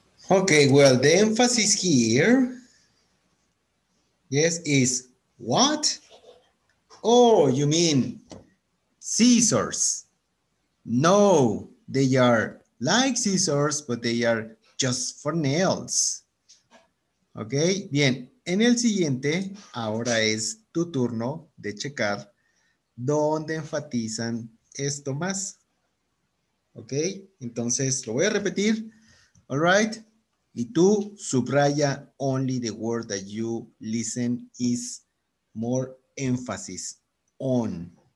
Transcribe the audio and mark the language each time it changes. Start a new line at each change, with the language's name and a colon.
English: Okay, well, the emphasis here, yes, is what? Oh, you mean scissors. No, they are like scissors, but they are just for nails. Okay, bien.
Spanish: En el siguiente, ahora es tu turno de checar dónde enfatizan esto más. Okay, entonces lo voy a repetir.
English: All right.
Spanish: Y tú subraya
English: only the word that you listen is more emphasis on.